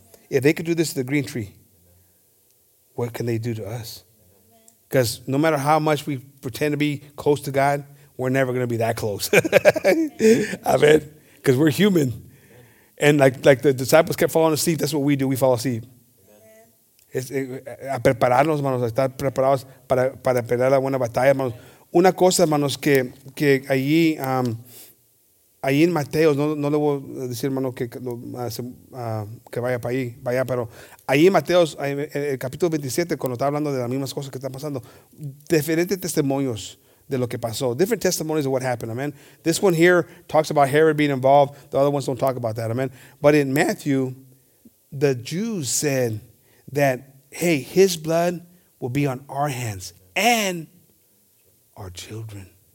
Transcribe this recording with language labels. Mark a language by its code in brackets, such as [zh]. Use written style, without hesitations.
[en] If they could do this to the green tree, what can they do to us? Because no matter how much we pretend to be close to God, we're never going to be that close. Amen. Because we're human. And like the disciples kept falling asleep, that's what we do. We fall asleep. [es] A prepararnos, hermanos. Estar preparados para pelear la buena batalla, hermanos. Una cosa, hermanos, que allí, allí en Mateo, no le voy a decir, hermano, que vaya para allá, pero allí en Mateo, en el capítulo 27, cuando está hablando de las mismas cosas que están pasando, diferentes testimonios de lo que pasó. [en] Different testimonies of what happened, amen. This one here talks about Herod being involved. The other ones don't talk about that, amen. But in Matthew, the Jews said that, hey, his blood will be on our hands and our children.